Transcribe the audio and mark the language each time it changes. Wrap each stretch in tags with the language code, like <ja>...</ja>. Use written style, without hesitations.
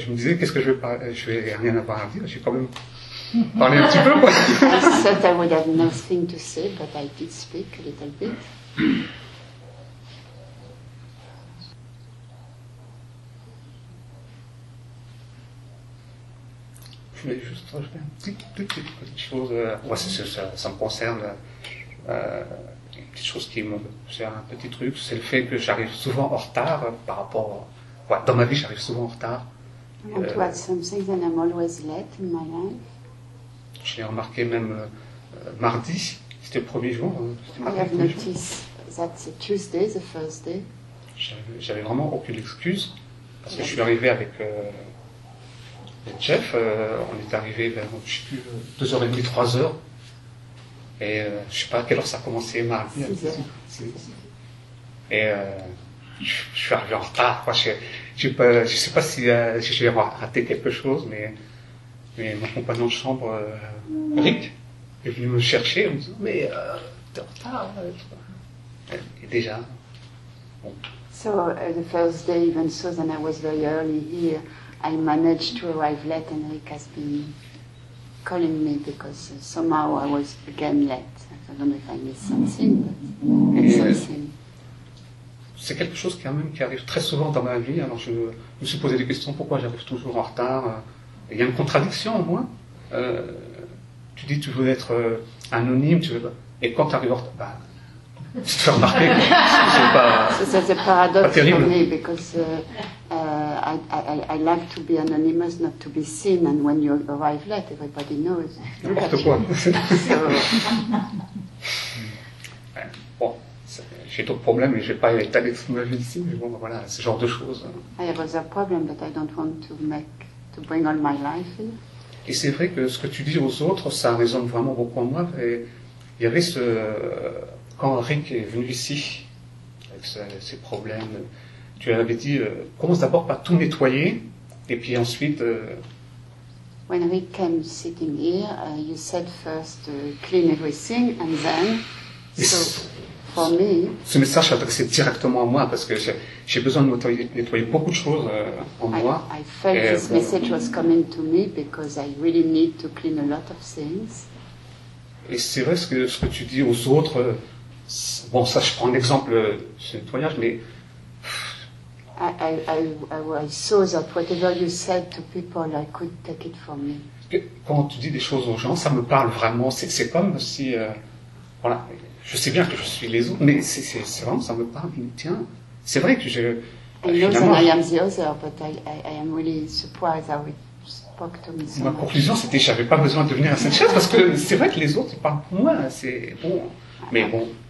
<fr>je me disais, qu'est-ce que je vais parler? Je vais rien avoir à dire, j'ai quand même parlé un petit peu, quoi.</fr> <en>I thought I would have nothing to say, but I did speak a little bit.</en> <fr>Je voulais juste rajouter une petite petite chose. Ouais, ça me concerne. Une petite chose qui me sert, un petit truc, c'est le fait que j'arrive souvent en retard par rapport. Ouais, dans ma vie, j'arrive souvent en retard.</fr> <en>To add something, then I'm always late in my life.</en> <fr>J'ai remarqué même mardi, c'était le premier jour.</fr> <en>That's Tuesday, the first day.</en> <fr>J'avais vraiment aucune excuse parce que je suis arrivé avec Jeff. On est arrivé vers 2h30, 3h. Et je sais pas à quelle heure ça a commencé mardi. Et je suis arrivé en retard. Quoi. Je sais pas si j'ai raté quelque chose, mais mon compagnon de chambre, Rick, est venu me chercher en me disant, mais t'es en retard. Et déjà. Bon.</fr> <en>So the first day, even so, then I was very early here. I managed to arrive late, and Rick has been calling me because somehow I was again late. I don't know if I missed something, but something.</en> <fr>C'est quelque chose quand même qui arrive très souvent dans ma vie. Alors je me suis posé des questions, pourquoi j'arrive toujours en retard. Il y a une contradiction en moi. Tu dis tu veux être anonyme, tu veux, et quand tu arrives en retard, bah, tu te fais remarquer. C'est paradoxe pour moi,</fr> <en>because I like to be anonymous, not to be seen, and when you arrive late, everybody knows.</en> <fr>N'importe quoi. Bon, j'ai d'autres problèmes, et je n'ai pas étalé toute ma vie ici, mais bon, voilà, ce genre de choses.</fr> <en>I have other problems, but I don't want to bring all my life in.</en> <fr>Et c'est vrai que ce que tu dis aux autres, ça résonne vraiment beaucoup en moi. Et il y avait ce... Quand Rick est venu ici, avec ses problèmes, tu avais dit, commence d'abord par tout nettoyer, et puis ensuite...</fr> <en>When Rick came sitting here, you said first clean everything, and then... So, for me...</en> <fr>Ce message s'adressait directement à moi, parce que j'ai besoin de nettoyer beaucoup de choses en moi.</fr> <en>I felt this message was coming to me, because I really need to clean a lot of things.</en> <fr>Et c'est vrai ce que tu dis aux autres... Bon, ça, je prends un exemple, ce nettoyage, mais...</fr> <en>I saw that whatever you said to people, I could take it from me.</en> <fr>Quand tu dis des choses aux gens, ça me parle vraiment. C'est comme si Voilà. Je sais bien que je suis les autres, mais c'est vraiment, ça me parle. Il me tient. C'est vrai que je. Ma conclusion, c'était, j'avais pas besoin de devenir un Saint-Chaise parce que c'est vrai que les autres parlent pour moi. C'est bon. Mais bon.</fr>